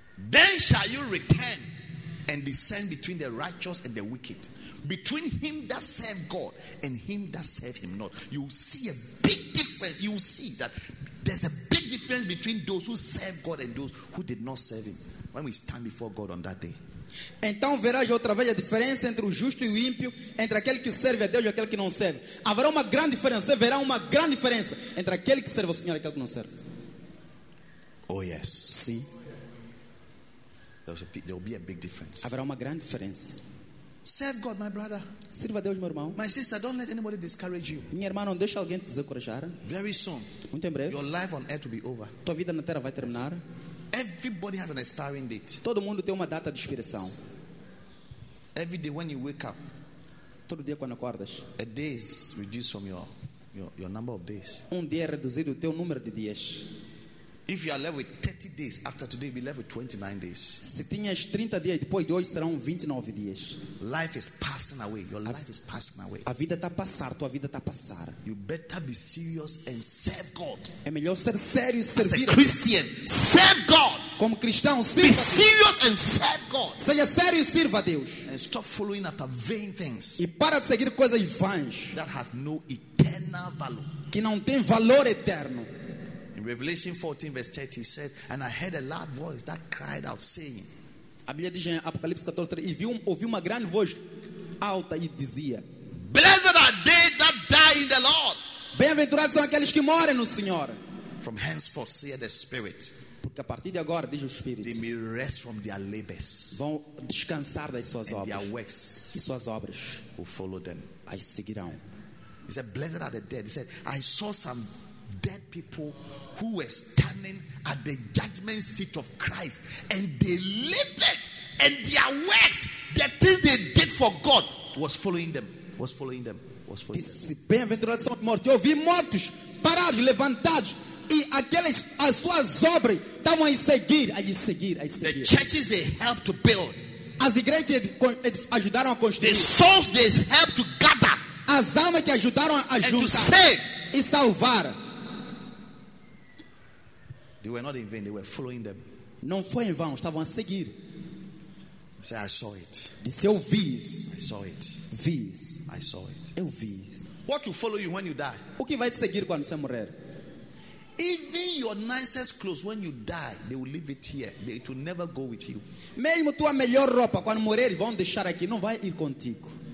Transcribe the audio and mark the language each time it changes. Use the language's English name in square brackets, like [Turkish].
[English] Then shall you return and descend between the righteous and the wicked, between him that serve God and him that serve him not. You will see a big difference. You will see that there's a big difference between those who serve God and those who did not serve him when we stand before God on that day. [Portuguese] Então verás outra vez a diferença entre o justo e o ímpio, entre aquele que serve a Deus e aquele que não serve. Haverá uma grande diferença, você verá uma grande diferença entre aquele que serve ao Senhor e aquele que não serve. [English] Oh yes. [Portuguese] Sim. [English] There will be a big difference. [Portuguese] Haverá uma grande diferença. [English] Serve God, my brother. [Portuguese] Sirva a Deus, meu irmão. [English] My sister, don't let anybody discourage you. [Portuguese] Minha irmã, não deixe alguém te desencorajar. [English] Very soon. [Portuguese] Muito em breve. [English] Your life on earth will be over. [Portuguese] Tua vida na terra vai terminar. [English] Everybody has an expiring date. [Portuguese] Todo mundo tem uma data de expiração. [English] Every day when you wake up. [Portuguese] Todo dia quando acordas. [English] A day is reduced from your number of days. [Portuguese] Um dia é reduzido o teu número de dias. [English] If you are left with 30 days after today, you'll be left with 29 days. [Portuguese] Se tinhas 30 dias, depois de hoje serão 29 dias. [English] Life is passing away. Your life is passing away. [Portuguese] A vida está a passar, tua vida está a passar. [English] You better be serious and serve God. [Portuguese] É melhor ser sério e servir. [English] As a Christian, serve God. [Portuguese] Como cristão, [English] sirva. Be serious and serve God. [Portuguese] Seja sério e sirva a Deus. [English] And stop following after vain things. [Portuguese] E para de seguir coisas vãs. [English] That has no eternal value. [Portuguese] Que não tem valor eterno. [English] In Revelation 14, verse 30, he said, and I heard a loud voice that cried out, saying, [Portuguese] a Bíblia diz em Apocalipse 14, e ouvi uma grande voz alta e dizia, [English] blessed are they that die in the Lord. [Portuguese] Bem-aventurados são aqueles que morrem no Senhor. [English] From henceforth, say the Spirit. [Portuguese] Porque a partir de agora, diz o Espírito, [English] they may rest from their labors. [Portuguese] Vão descansar das suas obras. [English] And their works. [Portuguese] E suas obras. [English] Will follow them. [Portuguese] As seguirão. [English] He said, blessed are the dead. He said, I saw some dead people who were standing at the judgment seat of Christ, and they lived, and their works, the things they did for God, was following them. [Portuguese] Bem-aventurados são os mortos. Eu vi mortos parados, levantados, e aquelas as suas obras estavam a seguir. [English] The churches they helped to build, [Portuguese] as igrejas ajudaram a construir. [English] The souls they helped to gather, [Portuguese] as almas que ajudaram a juntar, [English] and to save [Portuguese] e salvar. [English] They were not in vain, they were following them. [Portuguese] Não foi em vão, estavam a seguir. [English] Say, I saw it. [Portuguese] Disse, eu vi. [English] I saw it. [Portuguese] Vi. [English] I saw it. [Portuguese] Eu vi. [English] What will follow you when you die? [Portuguese] O que vai te seguir quando você morrer? [English] Even your nicest clothes, when you die, they will leave it here. It will never go with you. [Portuguese] Mesmo tua melhor roupa, quando morrer, vão deixar aqui, não vai ir contigo.